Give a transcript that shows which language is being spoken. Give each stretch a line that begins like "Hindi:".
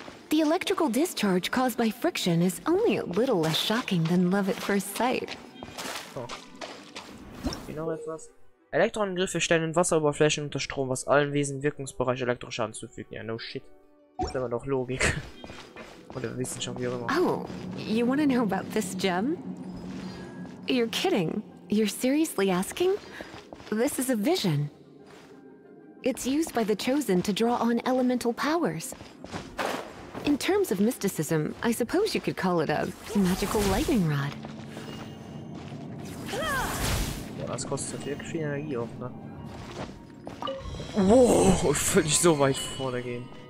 English: The electrical discharge caused by friction is only a little less shocking than love at first sight.
German: Oh. Noch etwas? Elektroangriffe stellen Wasseroberflächen unter Strom, was allen Wesen Wirkungsbereich Elektroschaden zufügen. Ja,
English: no shit.
German: Das ist aber doch Logik. Oder Wissenschaft, wie auch immer.
English: Oh, you wanna know about this gem? You're kidding. You're seriously asking? This is a vision. It's used by the Chosen to draw on elemental powers. In terms of mysticism, I suppose you could call it a magical lightning rod.
German: Boah, das kostet wirklich viel Energie auf, ne? Wow, ich will nicht so weit vorne gehen.